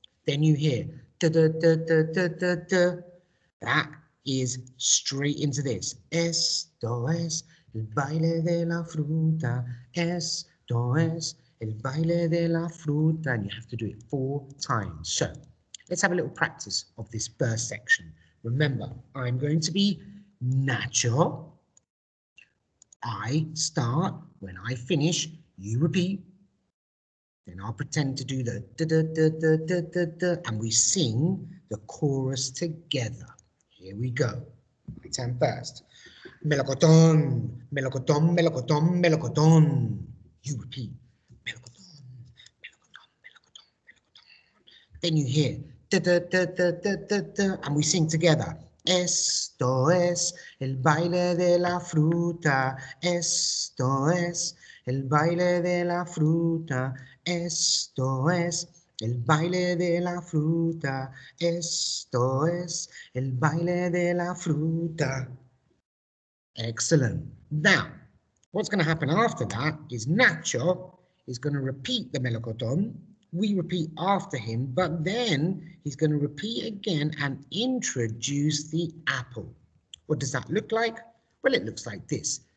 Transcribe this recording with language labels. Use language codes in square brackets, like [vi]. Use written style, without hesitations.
[en] Then you hear, da, da, da, da, da, da, da. That is straight into this. [es] Esto es el baile de la fruta. Esto es el baile de la fruta. [en] And you have to do it 4 times. So, let's have a little practice of this first section. Remember, I'm going to be Nacho. I start, when I finish, you repeat. Then I'll pretend to do the da da da da da da da, and we sing the chorus together. Here we go. My turn first. [es] Melocotón, melocotón, melocotón, melocotón. [en] You repeat. [es] Melocotón, melocotón, melocotón, melocotón. [en] Then you hear da da da da da da da, and we sing together. [es] Esto es el baile de la fruta. Esto es el baile de la fruta. Esto es el baile de la fruta. Esto es el baile de la fruta. [en] Excellent. Now, what's going to happen after that is Nacho is going to repeat the melocotón. We repeat after him, but then he's going to repeat again and introduce the apple. What does that look like? Well, it looks like this.